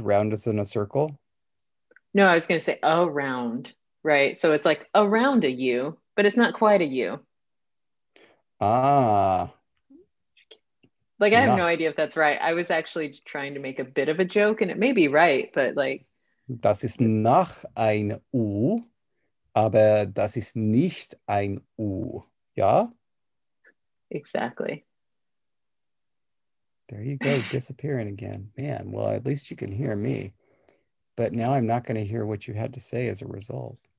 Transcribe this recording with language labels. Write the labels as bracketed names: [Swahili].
[English] Round is in a circle? No, I was going to say around, right? So it's like around a U, but it's not quite a U. Ah. Like, I have no idea if that's right. I was actually trying to make a bit of a joke, and it may be right, but like. [German] Das ist nach ein U, aber das ist nicht ein U. Ja? [English] Exactly. There you go, disappearing again. Man, well, at least you can hear me. But now I'm not going to hear what you had to say as a result.